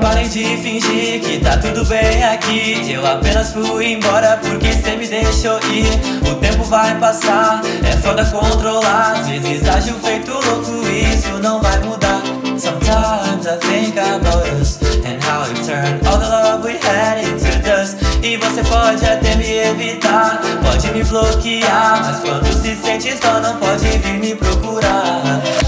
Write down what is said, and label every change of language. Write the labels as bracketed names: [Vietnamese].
[Portuguese] de fingir que tá tudo bem aqui. Eu apenas fui embora porque cê me deixou ir. O tempo vai passar, é foda controlar. Às vezes ajo feito louco, isso não vai mudar. [English] Sometimes I think about us and how it turned all the love we had into dust. [Portuguese] E você pode até me evitar, pode me bloquear, mas quando se sente só não pode vir me procurar.